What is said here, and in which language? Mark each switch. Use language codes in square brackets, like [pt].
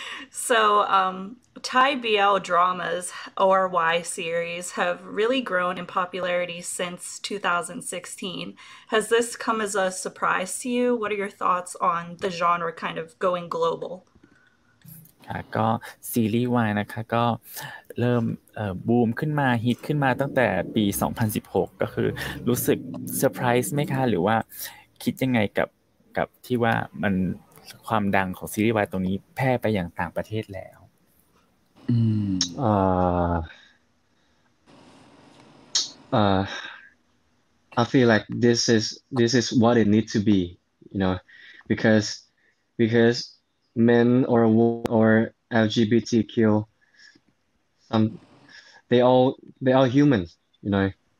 [en] So Thai BL dramas or Y series have really grown in popularity since 2016. Has this come as a surprise to you? What are your thoughts on the genre kind of going global? [th] ก็ซีรีส์ Y นะคะก็เริ่มบูมขึ้นมาฮิตขึ้นมาตั้งแต่ปี2016ก็คือรู้สึกเซอร์ไพรส์มั้ยคะหรือว่าคิดยังไงกับที่ว่ามันความดังของซีรีส์ Y ตรงนี้แพร่ไปอย่างต่างประเทศแล้ว [en] I feel like this is what it needs to be, you know, because men or women or LGBTQ, they all humans, you know.